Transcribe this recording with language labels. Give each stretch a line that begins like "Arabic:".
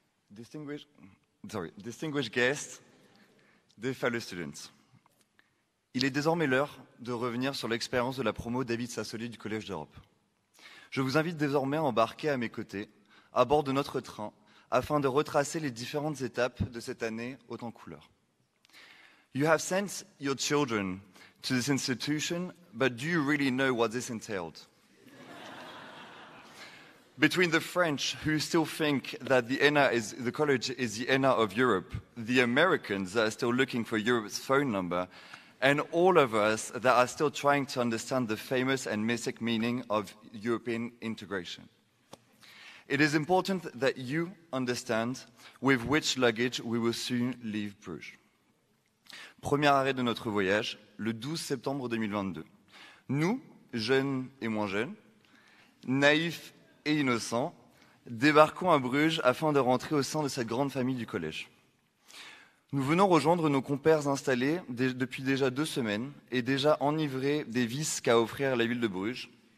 English: Distinguished guests, dear fellow students.
French: Il est désormais l'heure de revenir sur l'expérience de la promo David Sassoli du Collège d'Europe. Je vous invite désormais à embarquer à mes côtés, à bord de notre train, afin de retracer les différentes étapes de cette année haute en couleurs.
English: You have sent your children to this institution, but do you really know what this entailed? Between the French, who still think that the college is the ENA of Europe, the Americans that are still looking for Europe's phone number, and all of us that are still trying to understand the famous and mystic meaning of European integration. It is important that you understand with which luggage we will soon leave Bruges.
French: Premier arrêt de notre voyage, le 12 septembre 2022. Nous, jeunes et moins jeunes, naïfs et innocents, débarquons à Bruges afin de rentrer au sein de cette grande famille du collège. Nous venons rejoindre nos compères installés depuis déjà 2 semaines et déjà enivrés des vices qu'a offrir la ville de Bruges.